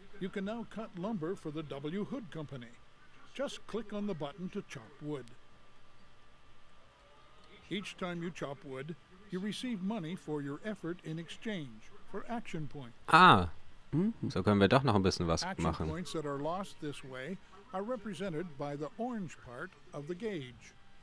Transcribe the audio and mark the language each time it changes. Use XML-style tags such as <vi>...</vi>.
<en>You can now cut lumber for the W. Hood Company. Just click on the button to chop wood. Each time you chop wood, you receive money for your effort in exchange for action points.</en> <de>Ah, so können wir doch noch ein bisschen was machen.</de> <en>Action points that are lost this way are represented by the orange part of the gauge.</en>